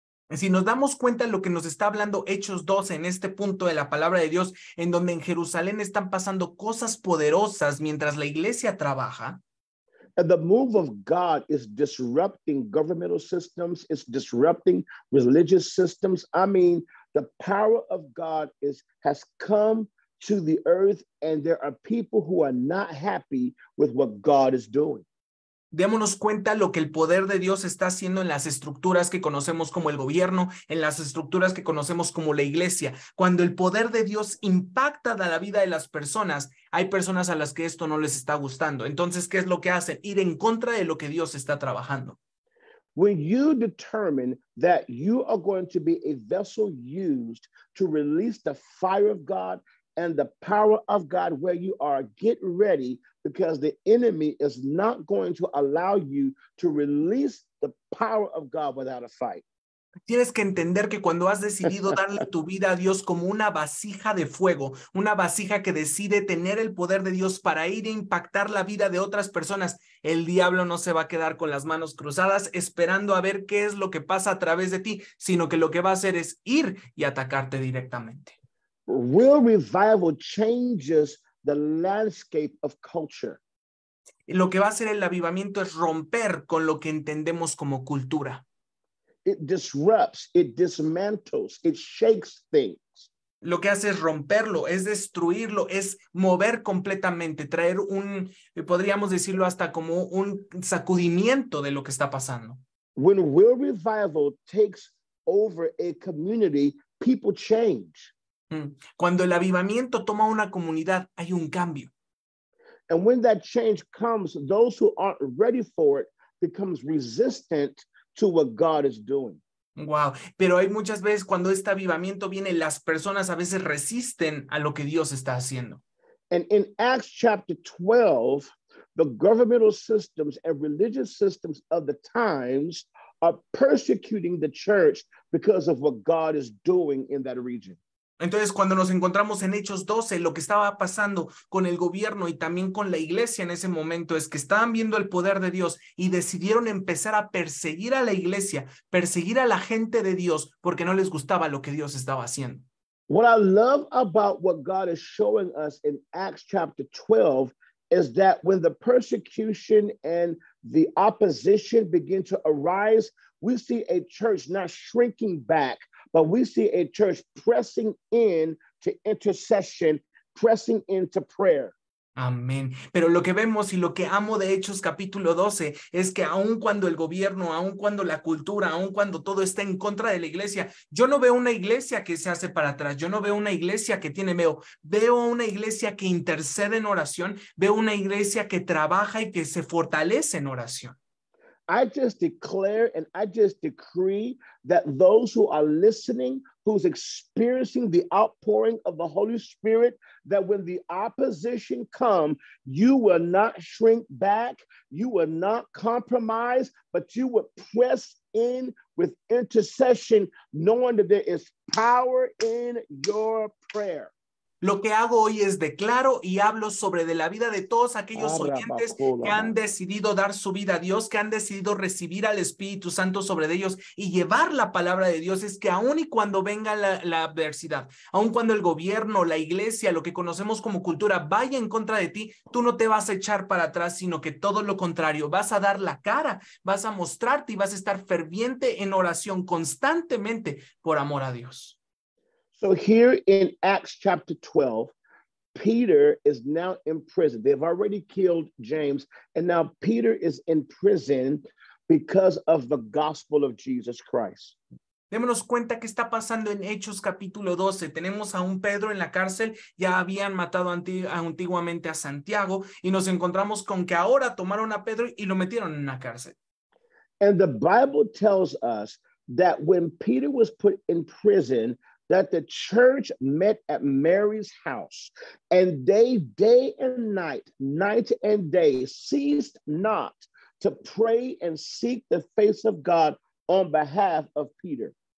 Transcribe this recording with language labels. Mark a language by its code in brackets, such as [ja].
[es] Si nos damos cuenta de lo que nos está hablando Hechos 12 en este punto de la palabra de Dios, en donde en Jerusalén están pasando cosas poderosas mientras la iglesia trabaja. [en] And the move of God is disrupting governmental systems, it's disrupting religious systems. I mean, the power of God has come to the earth, and there are people who are not happy with what God is doing. [es] Démonos cuenta lo que el poder de Dios está haciendo en las estructuras que conocemos como el gobierno, en las estructuras que conocemos como la iglesia. Cuando el poder de Dios impacta la vida de las personas, hay personas a las que esto no les está gustando. Entonces, ¿qué es lo que hacen? Ir en contra de lo que Dios está trabajando. [en] When you determine that you are going to be a vessel used to release the fire of God and the power of God where you are, get ready, because the enemy is not going to allow you to release the power of God without a fight. [es] Tienes que entender que cuando has decidido darle tu vida a Dios como una vasija de fuego, una vasija que decide tener el poder de Dios para ir a impactar la vida de otras personas, el diablo no se va a quedar con las manos cruzadas esperando a ver qué es lo que pasa a través de ti, sino que lo que va a hacer es ir y atacarte directamente. [en] Real revival changes the landscape of culture. [es] Lo que va a hacer el avivamiento es romper con lo que entendemos como cultura. [en] It disrupts, it dismantles, it shakes things. [es] Lo que hace es romperlo, es destruirlo, es mover completamente, traer un, podríamos decirlo hasta como un sacudimiento de lo que está pasando. [en] When real revival takes over a community, people change. [es] Cuando el avivamiento toma una comunidad, hay un cambio. [en] And when that change comes, those who aren't ready for it becomes resistant to what God is doing. [es] Wow, pero hay muchas veces cuando este avivamiento viene, las personas a veces resisten a lo que Dios está haciendo. [en] And in Acts chapter 12, the governmental systems and religious systems of the times are persecuting the church because of what God is doing in that region. [es] Entonces, cuando nos encontramos en Hechos 12, lo que estaba pasando con el gobierno y también con la iglesia en ese momento es que estaban viendo el poder de Dios y decidieron empezar a perseguir a la iglesia, perseguir a la gente de Dios, porque no les gustaba lo que Dios estaba haciendo. [en] What I love about what God is showing us in Acts chapter 12 is that when the persecution and the opposition begin to arise, we see a church not shrinking back, but we see a church pressing in to intercession, pressing into prayer. [es] Amén. Pero lo que vemos y lo que amo de Hechos capítulo 12 es que aun cuando el gobierno, aun cuando la cultura, aun cuando todo está en contra de la iglesia, yo no veo una iglesia que se hace para atrás, yo no veo una iglesia que tiene miedo, veo una iglesia que intercede en oración, veo una iglesia que trabaja y que se fortalece en oración. [en] I just declare and I just decree that those who are listening, who's experiencing the outpouring of the Holy Spirit, that when the opposition come, you will not shrink back, you will not compromise, but you will press in with intercession, knowing that there is power in your prayer. [es] Lo que hago hoy es declaro y hablo sobre de la vida de todos aquellos oyentes que han decidido dar su vida a Dios, que han decidido recibir al Espíritu Santo sobre ellos y llevar la palabra de Dios. Es que aun y cuando venga la adversidad, aun cuando el gobierno, la iglesia, lo que conocemos como cultura vaya en contra de ti, tú no te vas a echar para atrás, sino que todo lo contrario, vas a dar la cara, vas a mostrarte y vas a estar ferviente en oración constantemente por amor a Dios. [en] So here in Acts chapter 12, Peter is now in prison. They've already killed James, and now Peter is in prison because of the gospel of Jesus Christ. [es] Démonos cuenta qué está pasando en Hechos capítulo 12. Tenemos a un Pedro en la cárcel, ya habían matado antiguamente a Santiago, y nos encontramos con que ahora tomaron a Pedro y lo metieron en la cárcel. [en] And the Bible tells us that when Peter was put in prison, that the church met at Mary's house, and they day and night, night and day, ceased not to pray and seek the face of God on behalf of Peter.